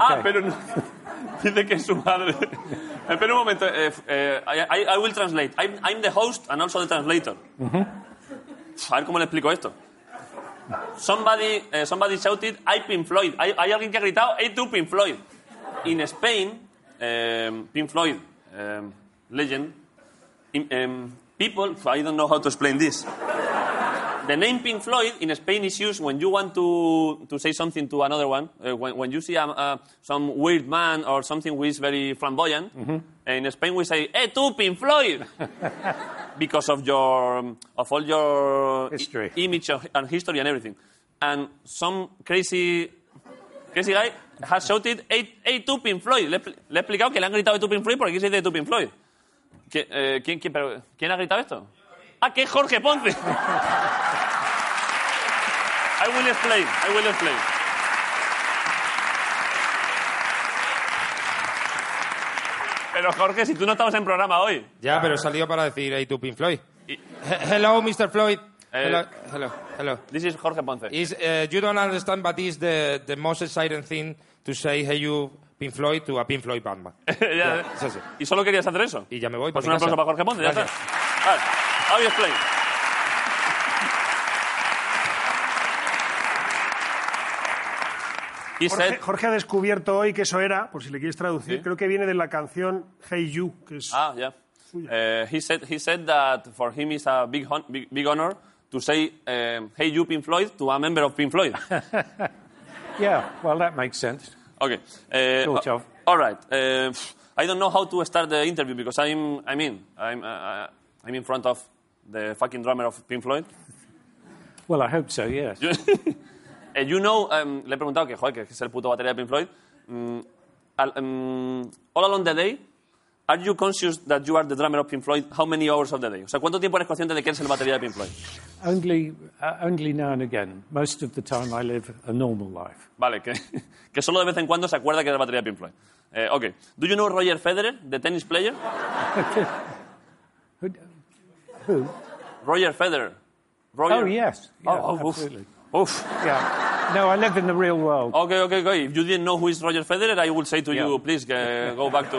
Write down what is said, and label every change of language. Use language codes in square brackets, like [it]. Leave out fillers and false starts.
[es] Ah, pero no. Dice que es su madre. Espera un momento. [en] I will translate. I'm the host and also the translator. [es] Mm-hmm. A ver cómo le explico esto. [en] Somebody shouted, I Pink Floyd. [es] Hay alguien que ha gritado, hey tú Pink Floyd. [en] In Spain, Pink Floyd, legend, people, I don't know how to explain this. The name Pink Floyd in Spain is used when you want to say something to another one. When you see some weird man or something who is very flamboyant, mm-hmm. In Spain we say, "Hey, tú, Pink Floyd," because of all your history, image and history and everything. And some crazy guy has shouted, "Hey, tú, Pink Floyd." [es] Le he explicado que le han gritado "Hey, tú, Pink Floyd" porque aquí se dice "Hey, tú, Pink Floyd." ¿Quién ha gritado esto? ¡Ah, que es Jorge Ponce! [en] I will explain. [es] Pero Jorge, si tú no estabas en programa hoy. Ya, pero he salido para decir hey to Pink Floyd. [en] Hello, Mr. Floyd. Hello. This is Jorge Ponce. You don't understand, but it's the most exciting thing to say hey you Pink Floyd to a Pink Floyd Batman. [es] Yeah. Y solo querías hacer eso. Y ya me voy. Pues un aplauso para Jorge Ponce. Ya está. Vale. [en] How you explain? [es] Jorge ha descubierto hoy que eso era, por si le quieres traducir, ¿sí? Creo que viene de la canción Hey You, que es suya. Yeah. [en] He said that for him it's a big honor to say Hey You Pink Floyd to a member of Pink Floyd. Yeah, well that makes sense. Okay. Sort of. All right. I don't know how to start the interview because I'm in front of the fucking drummer of Pink Floyd. Well, I hope so, yes. You know, [es] le he preguntado que, joder, que es el puto batería de Pink Floyd. [en] All along the day, are you conscious that you are the drummer of Pink Floyd? How many hours of the day? [es] O sea, ¿cuánto tiempo eres consciente de que eres el batería de Pink Floyd? [en] Only now and again. Most of the time I live a normal life. [es] Vale, que solo de vez en cuando se acuerda que es el batería de Pink Floyd. [en] Okay. Do you know Roger Federer, the tennis player? Who? Roger Federer. Roger? Oh, yes. Yeah, oh, absolutely. Oof. Yeah. No, I live in the real world. Okay. If you didn't know who is Roger Federer, I would say to you, please go back to.